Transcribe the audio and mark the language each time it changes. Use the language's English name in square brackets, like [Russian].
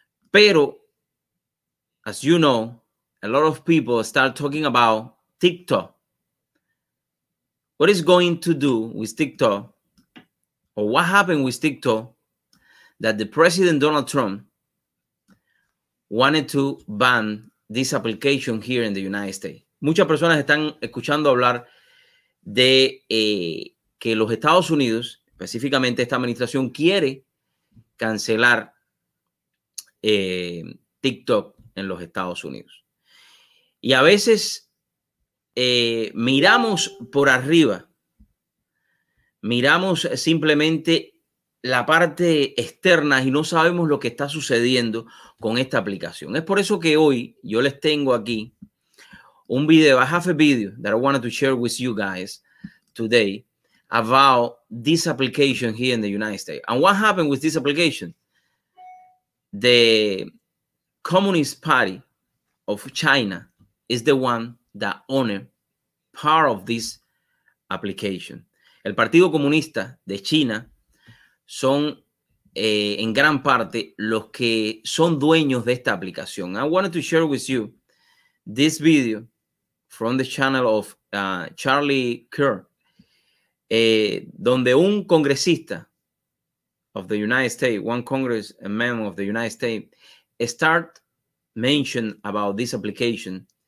[English] Pero, as you know, a lot of people start talking about TikTok. What is going to do with TikTok? Or what happened with TikTok that the President Donald Trump wanted to ban this application here in the United States? [Spanish] Muchas personas están escuchando hablar de que los Estados Unidos, específicamente esta administración, quiere cancelar TikTok en los Estados Unidos. Y a veces miramos por arriba, miramos simplemente la parte externa y no sabemos lo que está sucediendo con esta aplicación. Es por eso que hoy yo les tengo aquí un video, [English] I have a video that I wanted to share with you guys today about this application here in the United States. And what happened with this application? The Communist Party of China is the one that owned part of this application. [Spanish] El Partido Comunista de China son en gran parte los que son dueños de esta aplicación. [English] I wanted to share with you this video from the channel of Charlie Kerr, [Spanish] donde un congresista [English] of the United States, one congressman of the United States, start mention about this application.